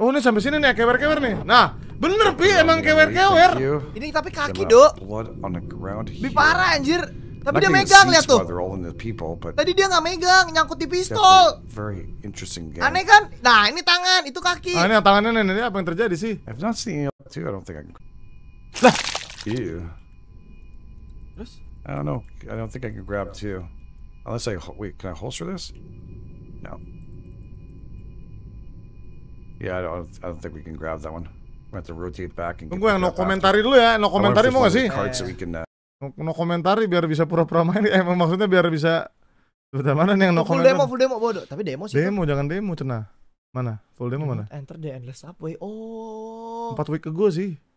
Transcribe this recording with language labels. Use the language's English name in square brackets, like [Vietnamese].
[Indonesian] Oh, ini sampai sini nih kewer-kewer nih. Nah, bener Pi, emang kewer-kewer. Ini tapi kaki, Dok. Lebih parah anjir. Tapi dia megang, lihat tuh. Tadi dia enggak megang, nyangkut di pistol. [English] Very interesting game. [Indonesian] Aneh kan? Nah, ini tangan, itu kaki. Nah, ini tangannya nih, ini apa yang terjadi sih? [English] I've not seen it too, I don't think I can. Lah. Ew. [Indonesian] Terus? [English] I don't know. I don't think I can grab too. Unless I wait, can I holster this? No. Yeah, I don't think we can grab that one. We have to rotate back and. [Indonesian] Tunggu yang no komentari dulu ya, no komentari mau nggak sih? No komentari biar bisa pura-pura main. Emang maksudnya biar bisa. Sudah mana nih yang no komentari? Full demo bodoh. Tapi demo sih. Demo kan? Jangan demo cenah. Mana? Full demo mana? [English] Enter the endless subway. Oh. 4 week ago sih.